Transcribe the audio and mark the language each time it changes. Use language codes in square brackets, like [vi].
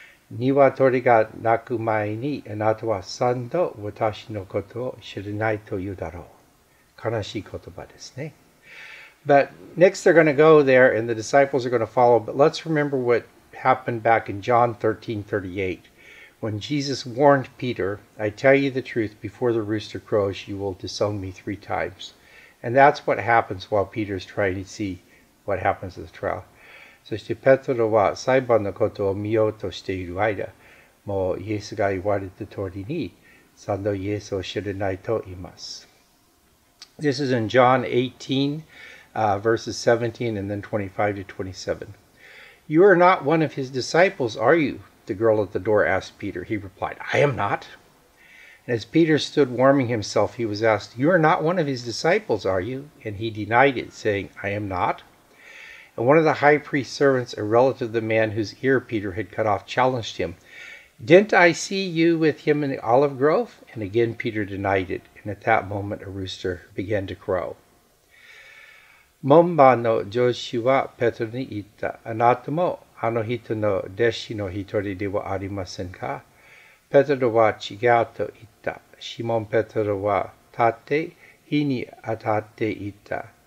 [ja] 鶏が鳴く前にあなたは三度私のことを知らないというだろう。悲しい言葉ですね。 [en] But next they're going to go there and the disciples are going to follow. But let's remember what happened back in John 13:38. When Jesus warned Peter, I tell you the truth, before the rooster crows, you will disown me three times. And that's what happens while Peter's trying to see what happens at the trial. [ja] そしてペトロは裁判のことを見ようとしている間、もうイエスが言われた通りに、三度イエスを知らないと言います。 [en] This is in John 18, verses 17 and then 25 to 27. You are not one of his disciples, are you? The girl at the door asked Peter. He replied, I am not. And as Peter stood warming himself, he was asked, You are not one of his disciples, are you? And he denied it, saying, I am not. And one of the high priest's servants, a relative of the man whose ear Peter had cut off, challenged him, Didn't I see you with him in the olive grove? And again Peter denied it. And at that moment a rooster began to crow. [ja] 門番の上司はペトロに言った。あなたもあの人の弟子の一人ではありませんか? ペトロは違うと言った。シモン・ペトロは立って火に当たって言った。